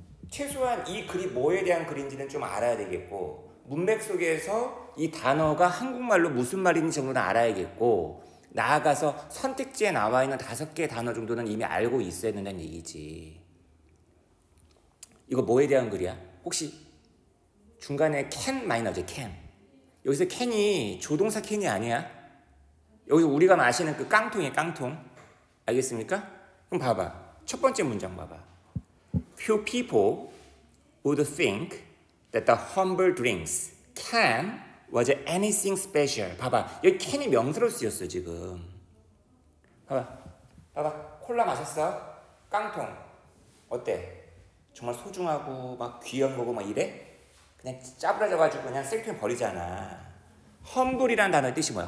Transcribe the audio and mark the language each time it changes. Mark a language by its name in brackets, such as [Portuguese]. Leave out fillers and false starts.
[Korean] 최소한 이 글이 뭐에 대한 글인지는 좀 알아야 되겠고, 문맥 속에서 이 단어가 한국말로 무슨 말인지 정도는 알아야겠고, 나아가서 선택지에 나와 있는 다섯 개의 단어 정도는 이미 알고 있어야 된다는 얘기지. 이거 뭐에 대한 글이야? 혹시 중간에 can 많이 나오지? can. 여기서 can이 조동사 can이 아니야. 여기서 우리가 마시는 그 깡통이야, 깡통. 알겠습니까? 그럼 봐봐. 첫 번째 문장 봐봐. [English] Few people would think that the humble drinks can was anything special. [Korean] 봐봐. 여기 캔이 명사로 쓰였어, 지금. 봐봐. 봐봐. 콜라 마셨어? 깡통. 어때? 정말 소중하고 막 귀한 거고 막 이래? 그냥 짜부라져가지고 그냥 셀프에 버리잖아. 험블이라는 단어의 뜻이 뭐야?